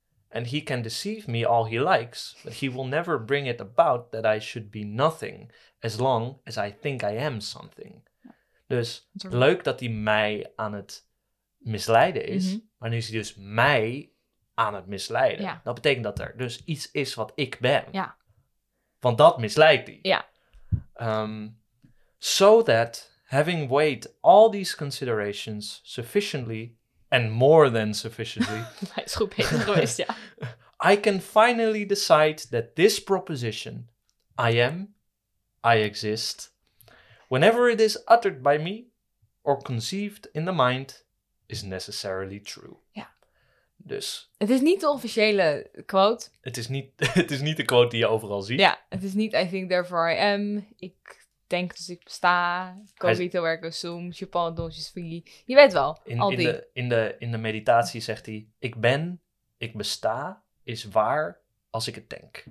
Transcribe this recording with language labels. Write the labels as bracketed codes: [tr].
[en] And he can deceive me all he likes, but he will never bring it about that I should be nothing, as long as I think I am something. [nl] Ja. Dus leuk dat hij mij aan het misleiden is, mm-hmm. maar nu is hij dus mij aan het misleiden. Ja. Dat betekent dat er dus iets is wat ik ben. Ja. Want dat misleidt hij. Ja. [en] So that, having weighed all these considerations sufficiently... And more than sufficiently. [nl] Hij is goed bezig geweest, ja. [en] I can finally decide that this proposition, I am, I exist, whenever it is uttered by me or conceived in the mind, is necessarily true. [nl] Ja. Dus. Het is niet de officiële quote. Het is niet de quote die je overal ziet. Ja, het is niet [en] I think therefore I am, [nl] ik denk dus ik besta, [la] cogito ergo sum, [fr] je pense donc je suis. [nl] Je weet wel, In de meditatie zegt hij, ik ben, ik besta, is waar als ik het denk.